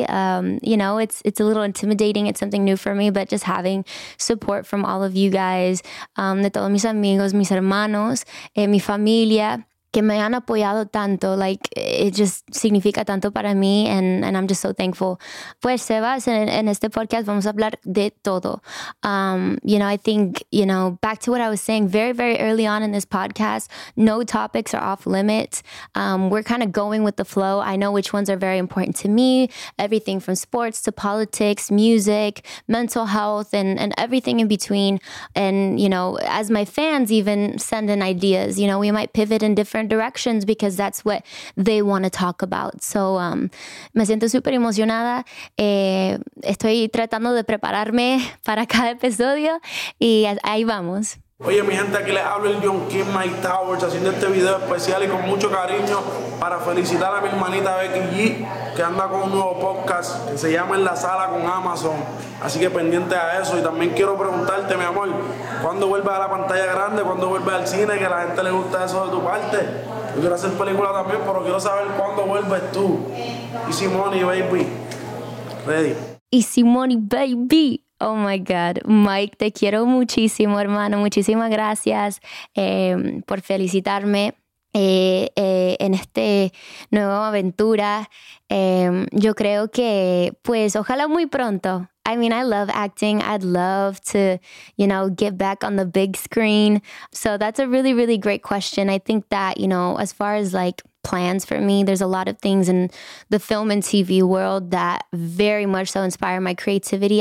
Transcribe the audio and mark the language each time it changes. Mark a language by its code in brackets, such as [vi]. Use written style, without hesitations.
[en] You know, it's a little intimidating. It's something new for me, but just having support from all of you guys, [es] de todos mis amigos, mis hermanos, mi familia, que me han apoyado tanto, [en] like, it just [es] significa tanto para mí, [en] and I'm just so thankful. [es] Pues, Sebas, en este podcast vamos a hablar de todo. [en] You know, I think, you know, back to what I was saying very, very early on in this podcast, no topics are off limits. We're kind of going with the flow. I know which ones are very important to me, everything from sports to politics, music, mental health, and everything in between. And, you know, as my fans even send in ideas, you know, we might pivot in different directions because that's what they want to talk about. So [es] me siento super emocionada. Estoy tratando de prepararme para cada episodio y ahí vamos. Oye, mi gente, aquí les hablo el John Kim Mike Towers haciendo este video especial y con mucho cariño para felicitar a mi hermanita Becky G, que anda con un nuevo podcast que se llama En la Sala con Amazon. Así que pendiente a eso. Y también quiero preguntarte, mi amor, ¿cuándo vuelves a la pantalla grande? ¿Cuándo vuelves al cine? Que a la gente le gusta eso de tu parte. Yo quiero hacer película también, pero quiero saber cuándo vuelves tú. [en] Easy Money, baby. Ready. Easy Money, baby. [es] Oh my God, Mike, te quiero muchísimo, hermano. Muchísimas gracias por felicitarme en esta nueva aventura. Yo creo que, pues, ojalá muy pronto. [en] I mean, I love acting. I'd love to, you know, get back on the big screen. So that's a really, really great question. I think that, you know, as far as like plans for me, there's a lot of things in the film and TV world that very much so inspire my creativity.